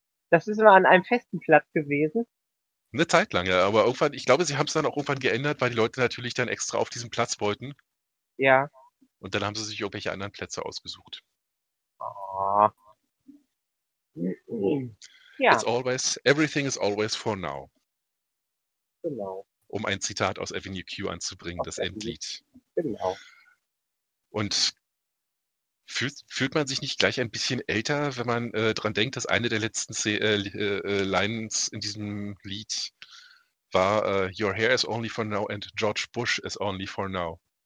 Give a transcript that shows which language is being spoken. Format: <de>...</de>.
<de>Das ist immer an einem festen Platz gewesen. Eine Zeit lang, ja. Aber irgendwann, ich glaube, sie haben es dann auch irgendwann geändert, weil die Leute natürlich dann extra auf diesen Platz wollten. Ja. Und dann haben sie sich irgendwelche anderen Plätze ausgesucht. Oh. Ja.</de> <en>It's always, everything is always for now.</en> <de>Genau. Um ein Zitat aus Avenue Q anzubringen, auf das Endlied. Genau. Und fühlt man sich nicht gleich ein bisschen älter, wenn man dran denkt, dass eine der letzten Lines in diesem Lied war</de> <en>Your hair is only for now</en> <de>and George Bush is only for now.</de>